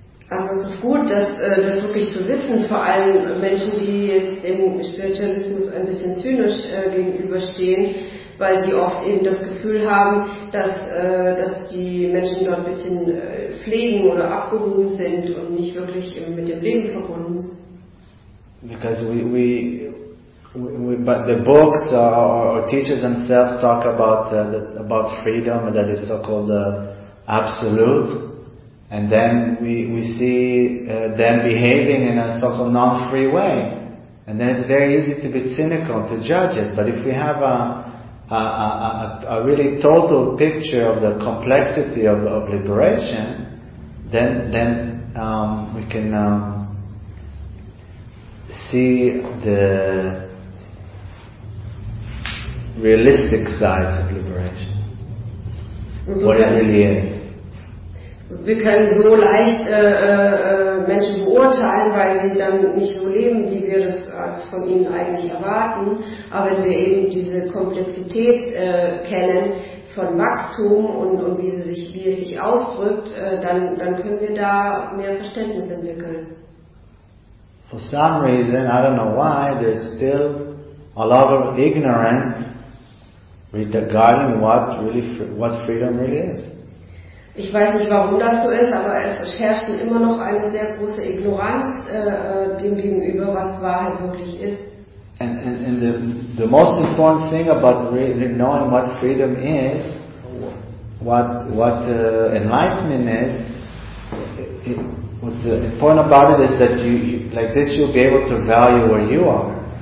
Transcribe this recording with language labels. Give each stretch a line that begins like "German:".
German: Aber es ist gut, das wirklich zu wissen, vor allem Menschen, die jetzt dem Spiritualismus ein bisschen zynisch gegenüberstehen, weil sie oft eben das Gefühl haben, dass die Menschen dort ein bisschen pflegen oder abgehoben sind und nicht wirklich mit dem Leben verbunden.
English: Because we but the books or teachers themselves talk about freedom, that is so-called absolute. And then we see them behaving in a so-called non-free way, and then it's very easy to be cynical, to judge it. But if we have a really total picture of the complexity of liberation, then we can see the realistic sides of liberation, what it really is.
German: Wir können so leicht Menschen beurteilen, weil sie dann nicht so leben, wie wir das als von ihnen eigentlich erwarten. Aber wenn wir eben diese Komplexität kennen von Wachstum und wie es sich ausdrückt, dann können wir da mehr Verständnis entwickeln.
English: For some reason, I don't know why, there's still a lot of ignorance regarding what freedom really is.
German: Ich weiß nicht, warum das so ist, aber es herrscht immer noch eine sehr große Ignoranz dem gegenüber, was Wahrheit wirklich ist.
English: And the most important thing about knowing what freedom is, what enlightenment is, what's important about it is that you like this, you'll be able to value where you are.